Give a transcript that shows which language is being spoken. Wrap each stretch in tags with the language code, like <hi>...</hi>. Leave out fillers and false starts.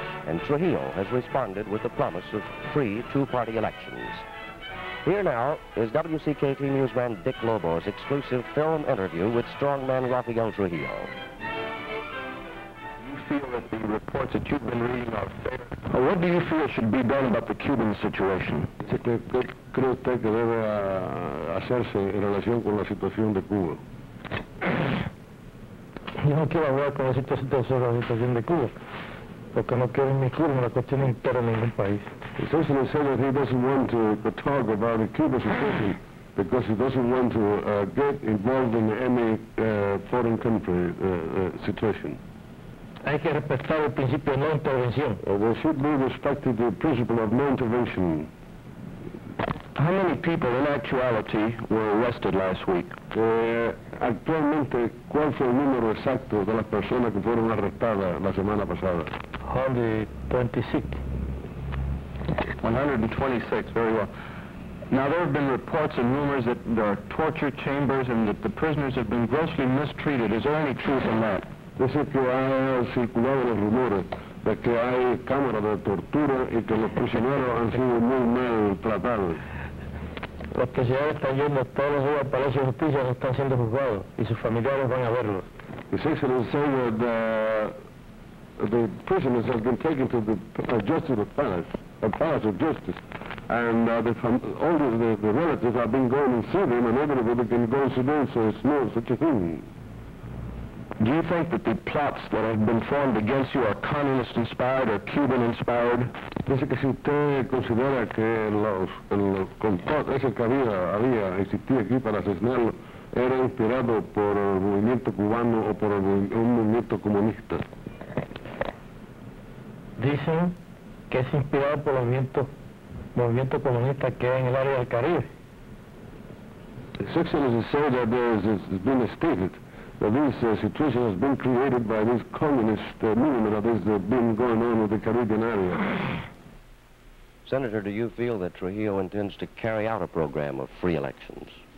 <en>And Trujillo has responded with the promise of free two-party elections. Here now is WCKT newsman Dick Lobo's exclusive film interview with strongman Raphael Trujillo. Feel that the reports that you've been reading are fair? What do you feel should be done about the Cuban situation?</en> <es>¿Qué cree usted que debe hacerse en relación con la situación de Cuba? Yo no quiero hablar con la situación sobre la situación de Cuba, porque no quiero ni Cuba, la cuestión interna de ningún país.</es> <en>It's also said that he doesn't want to talk about the Cuban situation because he doesn't want to get involved in any foreign country situation.</en> <es>Hay que respetar el principio de no intervención.</es> <en>There should be respected the principle of no intervention. How many people, in actuality, were arrested last week?</en> <es>Actualmente, ¿cuál fue el número exacto de las personas que fueron arrestadas la semana pasada? 126.</es> <en>126, very well. Now, there have been reports and rumors that there are torture chambers and that the prisoners have been grossly mistreated. Is there any truth in that?</en> <es>Dice que ha circulado los rumores de que hay cámaras de tortura y que los prisioneros han sido muy mal tratados. Los prisioneros están yendo todos los días al Palacio de Justicia, no están siendo juzgados y sus familiares van a verlos.</es> <en>His Excellency said that the prisoners have been taken to the Justice of Palace of Justice, and all the relatives have been going to see them, and everybody can go to them, so it's no such a thing. Do you think that the plots that have been formed against you are communist-inspired or Cuban-inspired?</en> <es>Dice que si usted considera que el complot ese que había existido aquí para asesinarlo era inspirado por el movimiento cubano o por un movimiento comunista. Dicen que es inspirado por el movimiento comunista que hay en el área del Caribe.</es> <en>It's excellent to say that it's been stated that this situation has been created by this communist movement that has been going on in the Caribbean area. Senator, do you feel that Trujillo intends to carry out a program of free elections?</en>